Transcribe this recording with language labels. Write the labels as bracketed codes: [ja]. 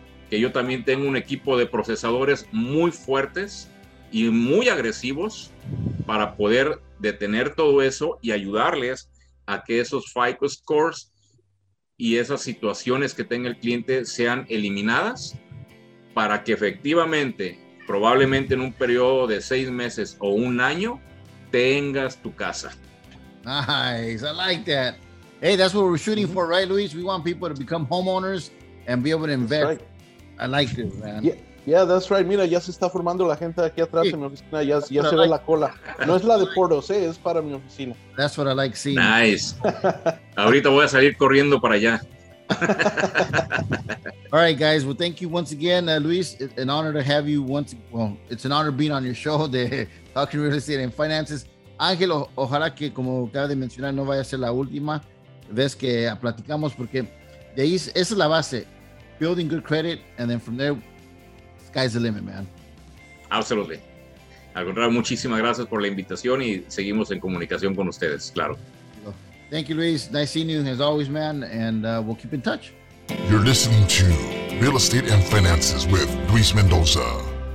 [es] Que yo también tengo un equipo de procesadores muy fuertes y muy agresivos para poder detener todo eso y ayudarles a que esos FICO scores y esas situaciones que tenga el cliente sean eliminadas, para que efectivamente, probablemente en un periodo de 6 meses o 1 año, tengas tu casa. [en] Nice, I like that. Hey, that's what we're shooting for, right, Luis? We want people to become homeowners and be able to invest. That's right. I like this, man. Yeah, that's right. [es] Mira, ya se está formando la gente aquí atrás en mi oficina. Ya se ve la cola. No es la de Portos, es para mi oficina. [en] That's what I like seeing. [es] Nice. Ahorita voy a salir corriendo para allá. [en] All right, guys. Well, thank you once again, Luis. It's an honor to have you once. Well, it's an honor being on your show, de Talking Real Estate and Finances. [es] Ángel, ojalá que, como acaba de mencionar, no vaya a ser la última vez que platicamos, porque de ahí, esa es la base. [en] Building good credit, and then from there, sky's the limit, man. Absolutely. [es] Al contrario, muchísimas gracias por la invitación y seguimos en comunicación con ustedes, claro. [en] Thank you, Luis. Nice seeing you as always, man, and we'll keep in touch. You're listening to Real Estate and Finances with Luis Mendoza.